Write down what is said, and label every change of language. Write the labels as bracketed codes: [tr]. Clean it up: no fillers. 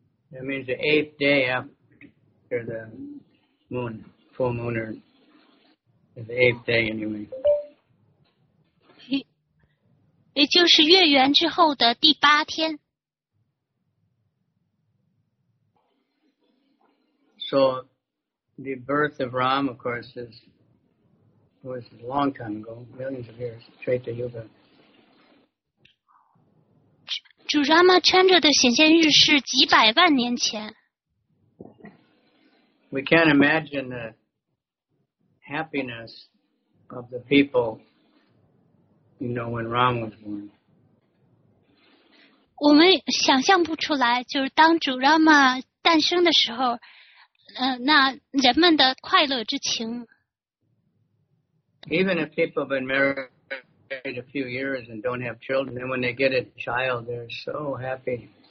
[en] That means the eighth day after the moon, full moon, or the eighth day anyway. [zh] 也就是月圆之后的第八天. [en] So, the birth of Ram, of course, was a long time ago, millions of years, straight to Yuga. [zh] 主 Ramachandra的显现日是几百万年前. [en] We can't imagine the happiness of the people, you know, when Ram was born. [zh] 我们想象不出来，就是当主Rama诞生的时候， 那人们的快乐之情。 [en] Even if people have been married a few years and don't have children, then when they get a child, they're so happy.